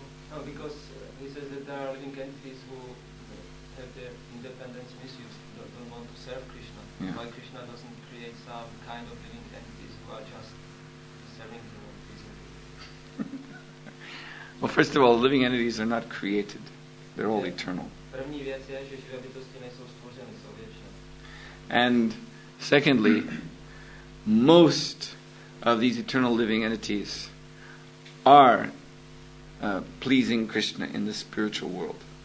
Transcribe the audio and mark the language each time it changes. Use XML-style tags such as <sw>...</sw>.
<en>No, because he says that there are living entities who have their independence misused, don't want to serve Krishna. Yeah. Why Krishna doesn't create some kind of living entities who are just serving him? Well, first of all, living entities are not created. They're all eternal.</en> <cs>První věc je, že živé bytosti nejsou stvořeny, jsou věčné.</cs> <en>And secondly, most of these eternal living entities are pleasing Krishna in the spiritual world.</en>